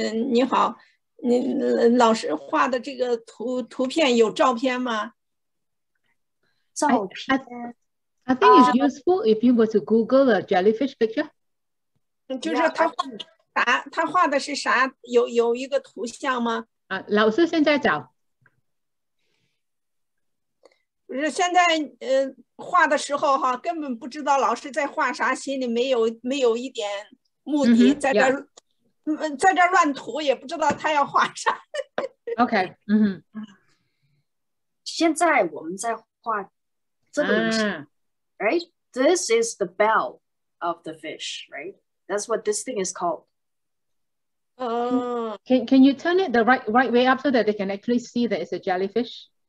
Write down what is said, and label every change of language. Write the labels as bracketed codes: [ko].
[zh] 你好, 老师画的这个图片有照片吗? [en] 照片? I think it's useful if you were to Google a jellyfish picture. [zh] 就是他画的是啥?有一个图像吗? 老师现在找。现在画的时候根本不知道老师在画啥，心里没有一点目的，在这乱涂也不知道他要画啥。现在我们在画这个东西，right? [en] This is the bell of the fish, right? That's what this thing is called. Can you turn it the right way up so that they can actually see that it's a jellyfish?